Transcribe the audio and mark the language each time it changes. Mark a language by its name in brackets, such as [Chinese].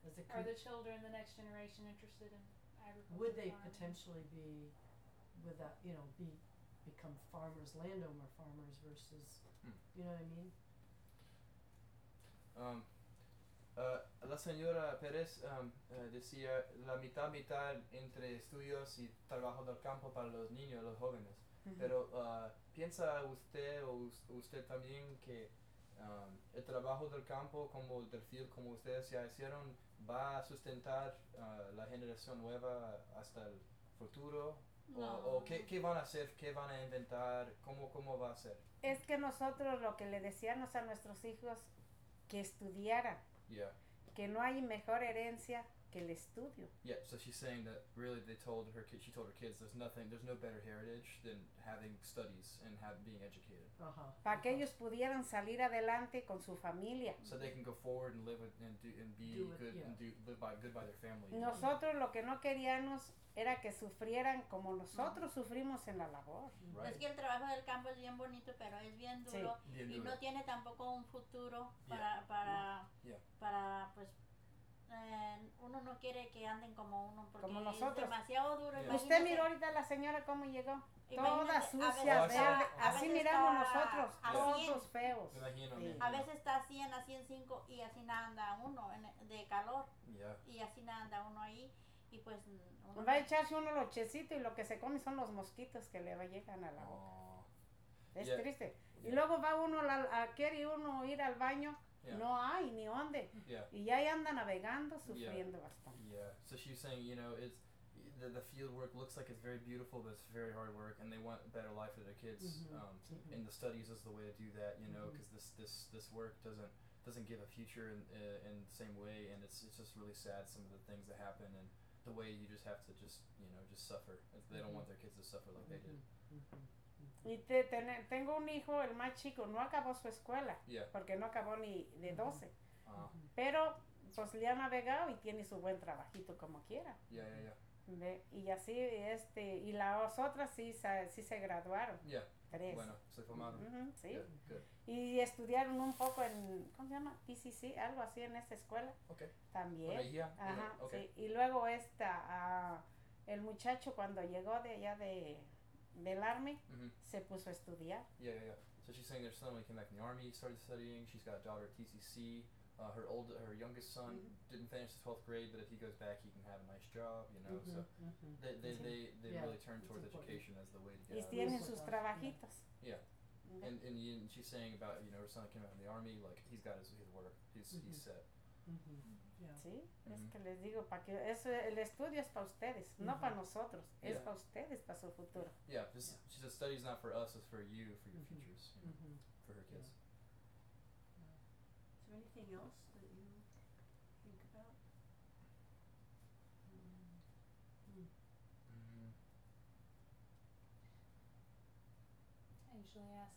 [English] are the children, the next generation, interested in agriculture? Would they farming? Potentially be, with that, you know, become farmers, landowner farmers versus, you know what I mean? [Spanish] La señora Pérez decía la mitad entre estudios y trabajo del campo para los niños, los jóvenes. Mm-hmm. Pero ¿piensa usted o usted también que el trabajo del campo como del field, como ustedes ya hicieron, va a sustentar la generación nueva hasta el futuro? No. ¿O qué van a hacer? ¿Qué van a inventar? ¿Cómo va a ser? Es que nosotros lo que le decíamos a nuestros hijos, que estudiaran. [English] Yeah. [Spanish] Que no hay mejor herencia que el estudio. [English] Yeah, so she's saying that really they told her kids, she told her kids there's no better heritage than having studies and being educated. Uh-huh. [Spanish] Para uh-huh. que ellos pudieran salir adelante con su familia. [English] So they can go forward and live with, and, do, and be do it, good yeah. and do, live by, good by their family. [Spanish] Nosotros [English] yeah. [Spanish] lo que no queríamos era que sufrieran como nosotros sufrimos en la labor. [English] Right. [Spanish] Es que el trabajo del campo es bien bonito, pero es bien duro, sí. bien duro. Y no tiene tampoco un futuro [English] yeah. [Spanish] Para pues uno no quiere que anden como uno porque como nosotros. Es demasiado duro. [English] Yeah. [Spanish] Usted miró ahorita a la señora cómo llegó. Toda sucia, a veces, verde. A así miramos nosotros, a todos 100. Feos. Me imagino, sí. me imagino. A veces está a 100, a 105 y así nada anda uno de calor. [English] Yeah. [Spanish] Y así nada anda uno ahí. Y pues uno va a echarse uno lochecito y lo que se come son los mosquitos que le llegan a la [English] oh. [Spanish] boca. Es [English] yeah. [Spanish] triste. [English] Yeah. [Spanish] Y luego va uno a querer uno ir al baño. [English] Yeah. [Spanish] No hay ni dónde. [English] Yeah. [Spanish] Y ahí anda navegando, sufriendo [English] yeah. [Spanish] bastante. [English] Yeah. So she's saying, you know, it's the field work looks like it's very beautiful, but it's very hard work, and they want a better life for their kids. Mm-hmm. Mm-hmm. And the studies is the way to do that, you know, because mm-hmm. this work doesn't give a future in the same way, and it's just really sad some of the things that happen and the way you just have to just suffer. They don't want their kids to suffer like mm-hmm. they did. Mm-hmm. [Spanish] Y tengo un hijo, el más chico, no acabó su escuela, [English] yeah. [Spanish] porque no acabó ni de 12. Mm-hmm. Uh-huh. Pero pues le ha navegado y tiene su buen trabajito como quiera. [English] Yeah. [Spanish] Y así y las otras sí se graduaron. [English] Yeah. [Spanish] Tres. Bueno, se formaron. Mm-hmm, sí. [English] Yeah, good. [Spanish] Y estudiaron un poco en, ¿cómo se llama? PCC, algo así en esta escuela. [English] Okay. [Spanish] También. Bueno, yeah. Ajá, [English] okay. [Spanish] Sí. Y luego el muchacho cuando llegó de allá del army, mm-hmm. se puso a estudiar. [English] Yeah. So she's saying their son, when he came back in the army, started studying. She's got a daughter at TCC. Her youngest son mm-hmm. didn't finish the 12th grade, but if he goes back, he can have a nice job, you know. Mm-hmm. So mm-hmm. they yeah. really turn towards it's education important. As the way to get [Spanish] y [English] out of [Spanish] tienen sus stuff. Trabajitos. [English] Yeah. Mm-hmm. And she's saying about, you know, her son came out in the army, like, he's got his work, he's mm-hmm. he's set. Yeah. [Spanish] Sí, mm-hmm. es que les digo, para que eso, el estudio es para ustedes, mm-hmm. no para nosotros, [English] yeah. [Spanish] es para ustedes, para su futuro. [English] Yeah, this, yeah. she says study is not for us, it's for you, for your mm-hmm. futures, you mm-hmm. know, for her kids. Yeah. Yeah. Is there anything else that you think about?